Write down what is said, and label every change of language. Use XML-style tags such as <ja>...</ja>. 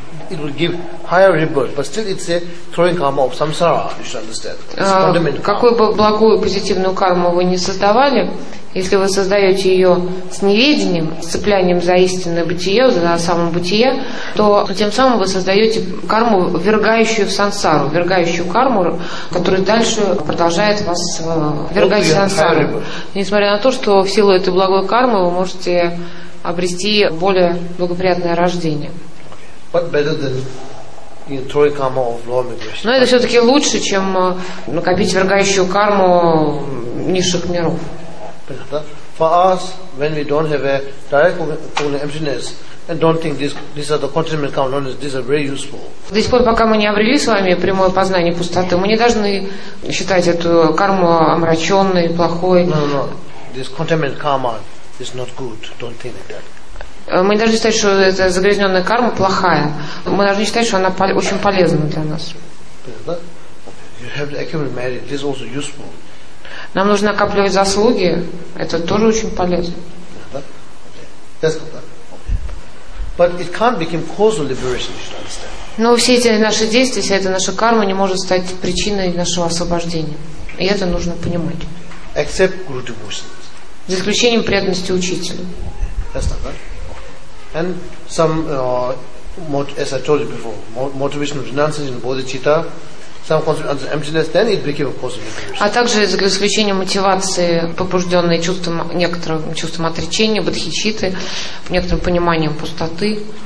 <en>It will give higher rebirth, but still it's a throwing karma of samsara, you should understand.</en> <ru>Какую бы благую позитивную карму вы не создавали, если вы создаете ее с неведением, с цеплянием за истинное бытие, за самобытие, то тем самым вы создаете карму, ввергающую в сансару, ввергающую карму, которая дальше продолжает вас ввергать в сансару. Несмотря на то, что в силу этой благой кармы вы можете обрести более благоприятное рождение.</ru> <en>But better than throwing karma of law migration.</en> <ru>Но это все-таки лучше, чем накопить ввергающую карму низших миров.</ru> <en>For us, when we don't have a direct cognitive emptiness and don't think these are the continuing karma, these are very useful.</en> <ru>До сих пор, пока мы не обрели с вами прямое познание пустоты, мы не должны считать эту карму омраченной, плохой.</ru> <en>No. This continuing karma is not good. Don't think like that.</en> <ru>Мы не должны считать, что эта загрязненная карма плохая. Мы должны считать, что она очень полезна для нас.</ru> <en>You have to accumulate merit. This is also useful.</en> <ru>Нам нужно накапливать заслуги. Это тоже очень полезно.</ru> <en>But it can't become causal liberation, you should understand.</en> <ru>Но все эти наши действия, вся эта наша карма не может стать причиной нашего освобождения. И это нужно понимать.</ru> <en>Except guru devotion.</en> <ru>За исключением преданности учителю.</ru> <en>And some, as I told you before, motivation of renunciation, bodhicitta, some concept of emptiness, then it became a cause of liberation.</en> <ru>А также за исключением мотивации, побужденной чувством, некоторым чувством отречения, бодхичитты, некоторым пониманием пустоты.</ru>